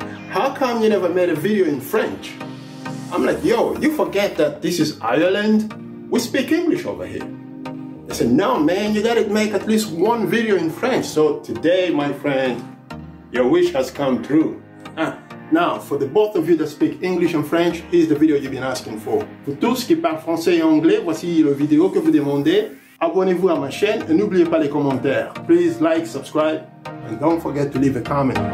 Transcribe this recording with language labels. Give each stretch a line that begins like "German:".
English: How come you never made a video in French? I'm like, yo, you forget that this is Ireland? We speak English over here. They said, no, man, you gotta make at least one video in French. So today, my friend, your wish has come true. Now, for the both of you that speak English and French, here's the video you've been asking for.
French: Pour tous qui parlent français et anglais, voici la vidéo que vous demandez. Abonnez-vous à ma chaîne et n'oubliez pas les commentaires.
English: Please like, subscribe, and don't forget to leave a comment.